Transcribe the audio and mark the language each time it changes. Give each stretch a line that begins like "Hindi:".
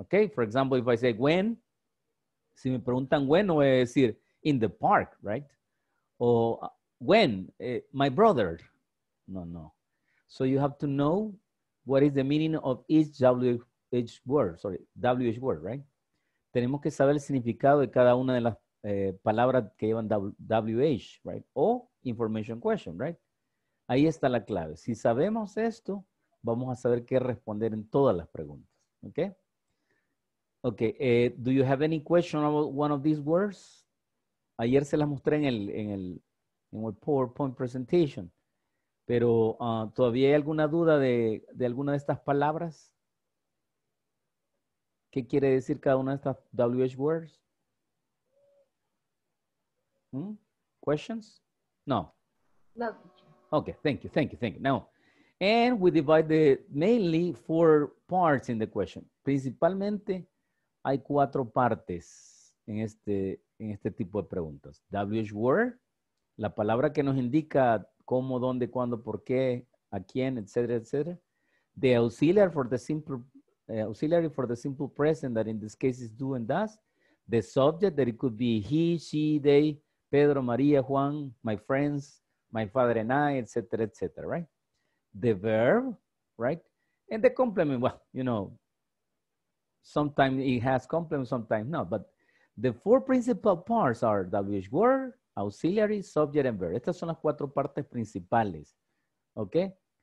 English: Okay? For example, if I say when,
Spanish: si me preguntan
English: when,
Spanish: voy a decir
English: in the park, right? Or when, my brother. No. So you have to know what is the meaning of each WH word, WH word, right?
Spanish: Tenemos que saber el significado de cada una de las palabras que llevan WH,
English: right?
Spanish: O
English: information question, right?
Spanish: Ahí está la clave. Si sabemos esto, vamos a saber qué responder en todas las preguntas, okay?
English: Okay, do you have any question about one of these words?
Spanish: Ayer se las mostré en el PowerPoint presentation. Pero, ¿todavía hay alguna duda de alguna de estas palabras? ¿Qué quiere decir cada una de estas WH words?
English: ¿Questions? No. No. Okay, thank you. Now, and we divide the mainly four parts in the question.
Spanish: Principalmente, hay cuatro partes en este tipo de preguntas. WH word, la palabra que nos indica cómo, dónde, cuándo, por qué, a quién, etcétera, etcétera.
English: The auxiliary for the simple present, that in this case is do and does. The subject, that it could be he, she, they, Pedro, María, Juan, my friends, my father and I,
Spanish: etcétera, etcétera,
English: right? The verb, right? And the complement, well, you know, sometimes it has complement, sometimes not, but the four principal parts are WH word, auxiliary, subject, and verb.
Spanish: Estas son las cuatro partes principales.
English: Okay?